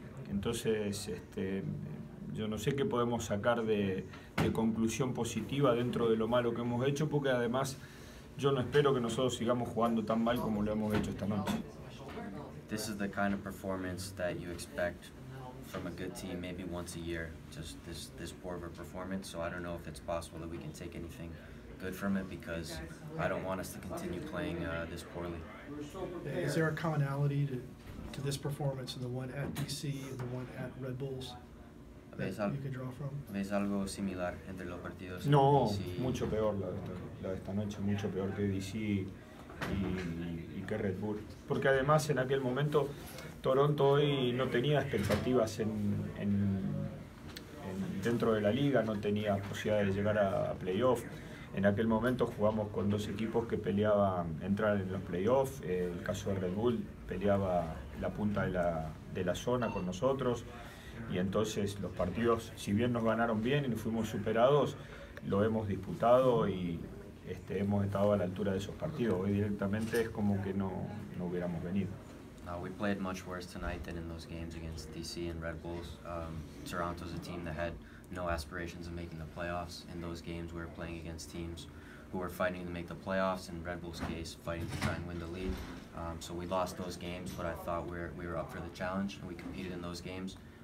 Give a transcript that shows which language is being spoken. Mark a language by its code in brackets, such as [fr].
[es] Entonces, yo no sé qué podemos sacar de conclusión positiva dentro de lo malo que hemos hecho, porque además yo no espero que nosotros sigamos jugando tan mal como lo hemos hecho esta noche. [en] This is the kind of performance that you expect from a good team maybe once a year, just this poor of a performance, so I don't know if it's possible that we can take anything good from it, because I don't want us to continue playing this poorly. Is there a commonality to this performance and the one at DC and the one at Red Bulls that you can draw from? [es] ¿Ves algo similar entre los partidos? No, mucho peor la de esta noche, mucho peor que DC y que Red Bull. Porque además en aquel momento Toronto hoy no tenía expectativas en dentro de la liga, no tenía posibilidad de llegar a playoff. En aquel momento jugamos con dos equipos que peleaban entrar en los playoffs. El caso de Red Bull peleaba la punta de la zona con nosotros. Y entonces los partidos, si bien nos ganaron bien y nos fuimos superados, lo hemos disputado y hemos estado a la altura de esos partidos. Hoy directamente es como que no hubiéramos venido. [en] We played much worse tonight than in those games against DC and Red Bulls. Toronto's a team that had no aspirations of making the playoffs. In those games, we were playing against teams who were fighting to make the playoffs, in Red Bull's case, fighting to try and win the league. So we lost those games, but I thought we were up for the challenge, and we competed in those games.